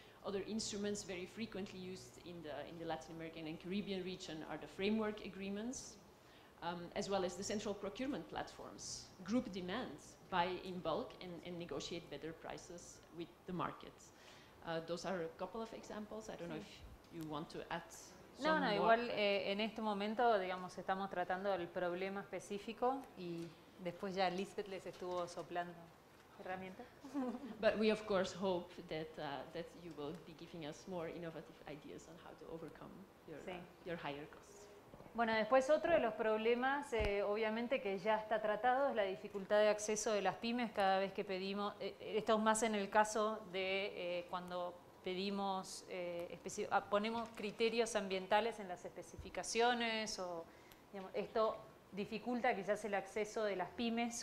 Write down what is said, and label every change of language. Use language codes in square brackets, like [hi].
[en] Other instruments very frequently used in the Latin American and Caribbean region are the framework agreements, as well as the central procurement platforms. Group demands, buy in bulk and negotiate better prices with the market. Those are a couple of examples. I don't know if you want to add some more. [es] Igual en este momento, digamos, estamos tratando el problema específico y después ya Lisbeth les estuvo soplando. [en] But we of course hope that that you will be giving us more innovative ideas on how to overcome your your higher costs. [es] Bueno, después otro de los problemas, obviamente que ya está tratado, es la dificultad de acceso de las pymes cada vez que pedimos. Esto es más en el caso de cuando pedimos ponemos criterios ambientales en las especificaciones o digamos, esto dificulta quizás el acceso de las pymes.